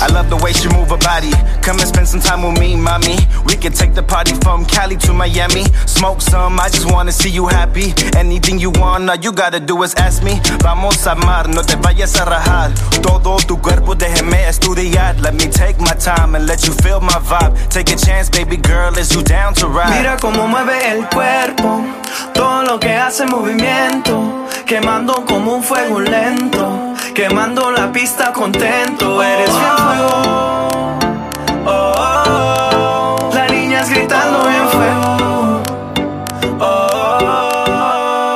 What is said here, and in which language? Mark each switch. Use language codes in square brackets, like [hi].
[en] I love the way she move about. body. Come and spend some time with me, mommy. We can take the party from Cali to Miami. Smoke some, I just wanna see you happy. Anything you want, all you gotta do is ask me. [es] Vamos a amar, no te vayas a rajar. Todo tu cuerpo, déjeme estudiar. [en] Let me take my time and let you feel my vibe. Take a chance, baby girl, is you down to ride? [es] Mira cómo mueve el cuerpo, todo lo que hace movimiento. Quemando como un fuego lento, quemando la pista contento. Eres fiel fuego. Oh, oh, oh. La niña es gritando en fuego. Oh, oh, oh.